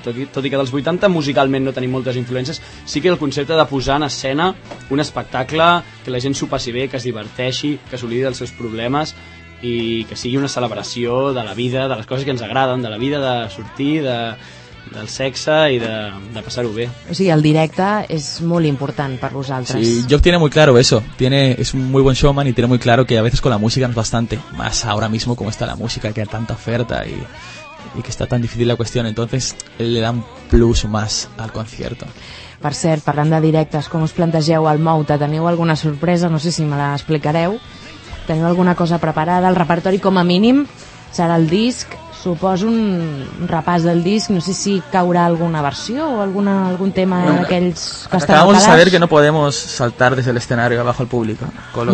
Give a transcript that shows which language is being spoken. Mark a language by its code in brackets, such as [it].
[ca] Tot i que dels 80 musicalment no tenim moltes influències, sí que el concepte de posar en escena un espectacle, que la gent s'ho passi bé, que es diverteixi, que s'oblidi dels seus problemes i que sigui una celebració de la vida, de les coses que ens agraden, de la vida, de sortir, del sexe i de passar-ho bé. O sigui, el directe és molt important per vosaltres. [es] Sí, Job tiene muy claro eso. Es un muy buen showman y tiene muy claro que a veces con la música no es bastante. Más ahora mismo como está la música, que hay tanta oferta y que está tan difícil la cuestión. Entonces, le dan plus más al concierto. [ca] Per cert, parlant de directes, com us plantegeu el Mouta? Teniu alguna sorpresa? No sé si me la explicareu. Teniu alguna cosa preparada? El repertori, com a mínim, serà el disc... Suposo un repàs del disc, no sé si caurà alguna versió o algun tema d'aquells que estan [es] acabamos de saber que no podemos saltar desde el escenario abajo al público, con lo